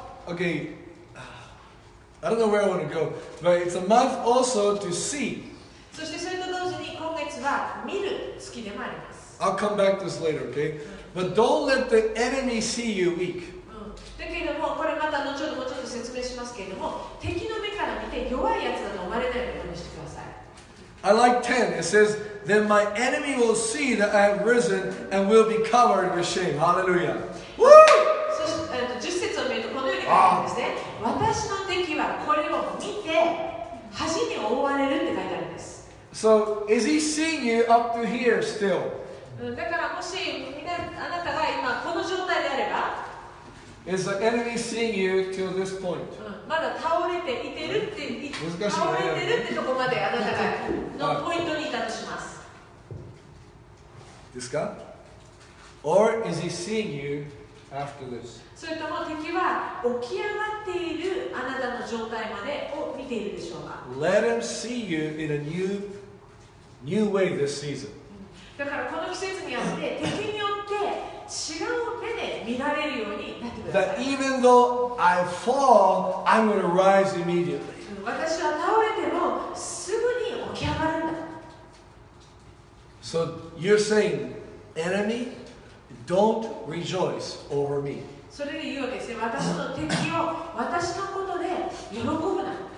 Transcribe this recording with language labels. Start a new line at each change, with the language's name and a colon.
English: Okay, I don't know where I want to go, but it's a month also to see.
Japanese: そしてそれと同時に今月は見る月でもあります。
English: I'll come back to this later, okay? But don't let the enemy see you weak.
Japanese: だけども、これまた後ほどもちょっと説明しますけれども、敵の目から見て弱いやつだと思われないようにしてください。
English: I like 10. It says, Then my enemy will see that I have risen and will be covered with shame. Hallelujah. Woo!
Japanese: そして10節を見るとですね、私の敵はこれを見て恥に覆われるって書いてあるんです。
English: So, is he seeing you up to here still?
Japanese: だからもしあなたが今この状態であれば、
English: Is the enemy seeing you till this point?
Japanese: まだ倒れていてるって、倒れてるってとこまであなたがのポイントにいたとします。ですか?
English: Or is he seeing you? After this.
Japanese: それとも敵は起き上がっているあなたの状態までを見ているでしょうか?
English: Let him see you in a new way this season.
Japanese: だからこの季節によって敵によって違う目で見られるようになってください。
English: That even though I fall, I'm going to rise immediately.
Japanese: 私は倒れてもすぐに起き上がるんだ。
English: So you're saying, enemy? Don't rejoice over me.
Japanese: それで言うわけですよ。私の敵を私のことで喜ぶな。